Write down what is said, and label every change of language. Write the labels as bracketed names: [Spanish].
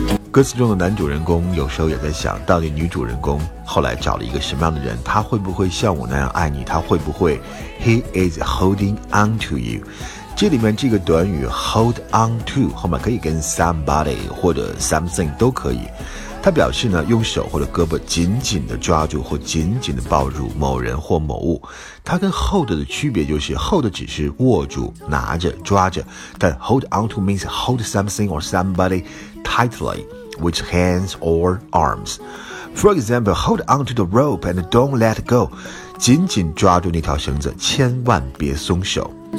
[Chinese] 歌词中的男主人公有时候也在想，到底女主人公后来找了一个什么样的人，她会不会像我那样爱你，她会不会 [English] He is holding on to you。 [Chinese] 这里面这个短语 hold on to 后面可以跟 somebody 或者 something 都可以，它表示呢用手或者胳膊紧紧地抓住或紧紧地抱住某人或某物。它跟 hold 的区别就是 hold 只是握住拿着抓着，但 [English] hold on to means hold something or somebody tightly with hands or arms. For example, hold on to the rope and don't let go. [Chinese] 紧紧抓住那条绳子，千万别松手。